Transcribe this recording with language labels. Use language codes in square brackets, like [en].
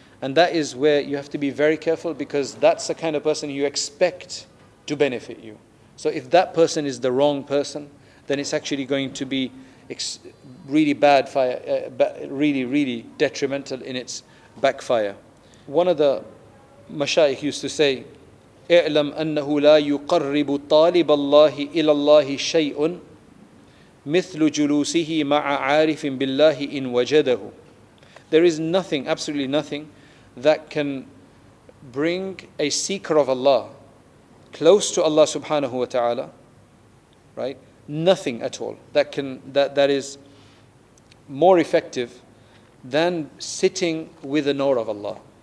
[en] And that is where you have to be very careful, because that's the kind of person you expect to benefit you. So if that person is the wrong person, then it's actually going to be really bad fire, really, really detrimental in its backfire. One of the mashayikh used to say, [ar] اعلم أنه لا يقرب طالب الله إلى الله شيء مثل جلوسه مع عارف بالله إن وجده. [en] There is nothing, absolutely nothing, that can bring a seeker of Allah close to Allah subhanahu wa ta'ala, right? Nothing at all that is more effective than sitting with the knower of Allah.